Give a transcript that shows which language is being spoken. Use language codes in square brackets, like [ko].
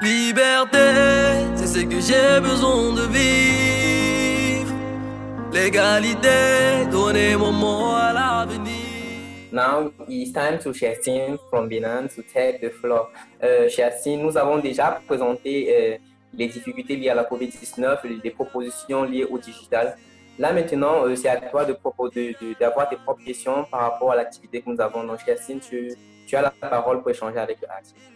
[fr] Liberté, c'est ce que j'ai besoin de vivre. L'égalité, donnez-moi mon mot à l'avenir. [en] Now it's time to Chassine from Binance to take the floor. [fr] Chassine, nous avons déjà présenté les difficultés liées à la COVID-19 et les propositions liées au digital. Là maintenant, c'est à toi d'avoir tes propres questions par rapport à l'activité que nous avons. Donc Chassine, tu as la parole pour échanger avec Axel.